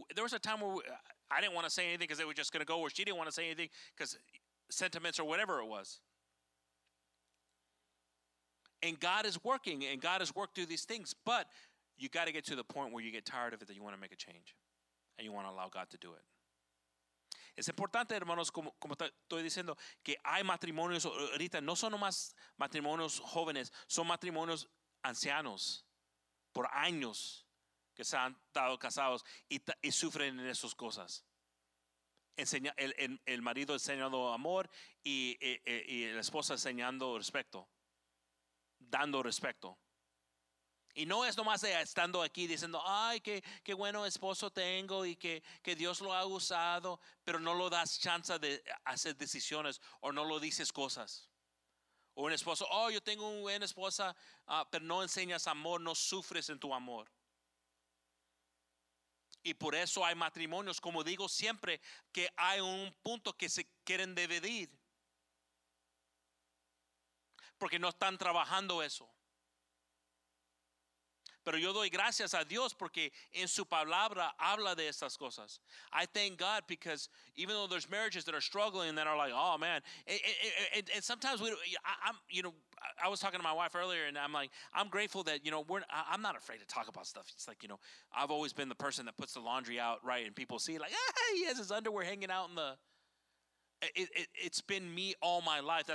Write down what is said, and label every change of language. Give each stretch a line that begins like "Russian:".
English: There was a time where I didn't want to say anything because they were just going to go, or she didn't want to say anything because sentiments or whatever it was. And God is working, and God has worked through these things, but you got to get to the point where you get tired of it, that you want to make a change and you want to allow God to do it.
Spanish: Es importante, hermanos, como estoy diciendo, que hay matrimonios ahorita, no son nomás matrimonios jóvenes, son matrimonios ancianos, por años que se han dado casados y sufren en esas cosas. enseña, el marido enseñando amor y la esposa enseñando respeto, dando respeto. Y no es nomás estando aquí diciendo, ay, qué bueno esposo tengo y que Dios lo ha usado, pero no lo das chance de hacer decisiones o no lo dices cosas. O un esposo, oh, yo tengo una buena esposa, pero no enseñas amor, no sufres en tu amor. Y por eso hay matrimonios, como digo siempre, que hay un punto que se quieren dividir. Porque no están trabajando eso. Pero yo doy gracias a Dios porque en su palabra habla de estas cosas.
English: I thank God because even though there's marriages that are struggling and that are like, oh man. And sometimes I was talking to my wife earlier and I'm like, I'm grateful that, you know, I'm not afraid to talk about stuff. It's like, you know, I've always been the person that puts the laundry out, right? And people see like, he has his underwear hanging out in the, it's been me all my life.